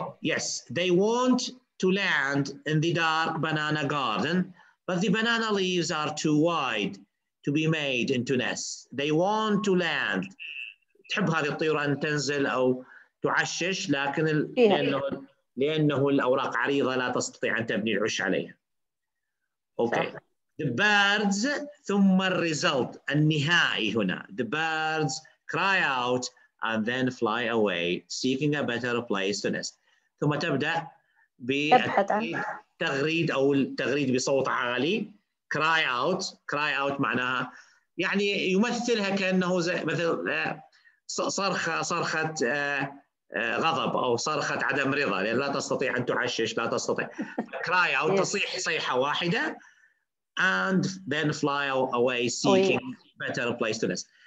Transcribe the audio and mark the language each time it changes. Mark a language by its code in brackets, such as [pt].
[en] yes they want to land in the dark banana garden but the banana leaves are too wide to be made into nests they want to land [ar] تحب هذه الطيور أن تنزل أو تعشش لكن لأنه الأوراق عريضة لا تستطيع أن تبني العش عليها. [en] Okay. The birds [ar] ثم الريزلت النهائي هنا. [en] The birds cry out and then fly away seeking a better place to nest. [ar] ثم تبدأ بتغريد أو التغريد بصوت عالي cry out. cry out معناها يعني يمثلها كأنه زي مثل صرخة, صرخة غضب أو صرخة عدم رضا, لأن لا تستطيع أن تعشش, لا تستطيع cry out تصيح صيحة واحدة [en] and then fly away seeking better place to nest.